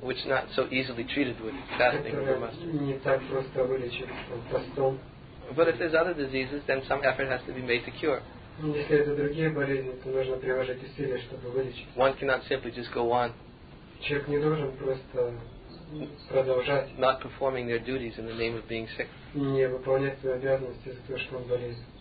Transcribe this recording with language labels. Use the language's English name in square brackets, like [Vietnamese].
[English] Which not so easily treated with fasting or mustard. [Russian] Не так просто вылечить постом. [English] But if there's other diseases, then some effort has to be made to cure. [Russian] Если это другие болезни, то нужно приложить усилия, чтобы вылечить. [English] One cannot simply just go on. [Russian] Человек не должен просто продолжать. [English] Not performing their duties in the name of being sick. [Russian] Не выполнять свои обязанности за то, что он болеет.